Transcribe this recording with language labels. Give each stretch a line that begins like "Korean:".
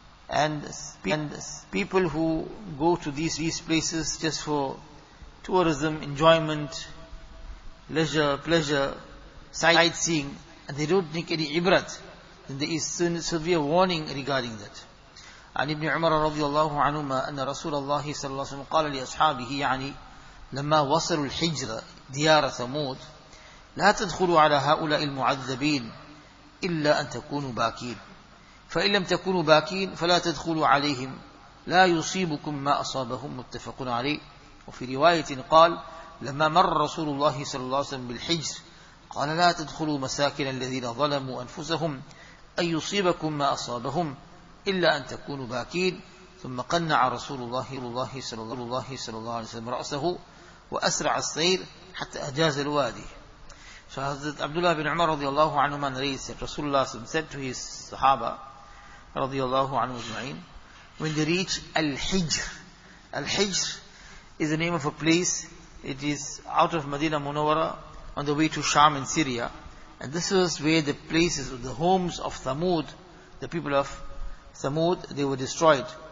English: And people who go to these places just for tourism, enjoyment, leisure, pleasure, sightseeing, and they don't take any ibrat, then there is severe warning regarding that.
Arabic: عن ابن عمر رضي الله عنهما أن رسول الله صلى الله عليه وسلم قال لأصحابه يعني لما وصلوا الحجرة ديار ثمود لا تدخلوا على هؤلاء المعذبين إلا أن تكونوا باكين فإن لم تكونوا باكين فلا تدخلوا عليهم لا يصيبكم ما أصابهم متفق عليه. وفي رواية قال لما مر رسول الله صلى الله عليه وسلم بالحجر قال لا تدخلوا مساكن الذين ظلموا أنفسهم أن يصيبكم ما أصابهم إلا أن تكونوا باكين. ثم قنع رسول الله صلى الله عليه وسلم رأسه وأسرع السير حتى أجاز الوادي. فحضرت عبد الله بن عمر رضي الله عنه من رئيس رسول الله صلى الله عليه وسلم
English: said to his
Arabic: صحابة رضي الله عنه أجمعين,
English: when they reach الحجر, الحجر is the name of a place, it is out of Medina Munawwara on the way to Sham in Syria, and this was where the places, the homes of Thamud, the people of Thamud, they were destroyed.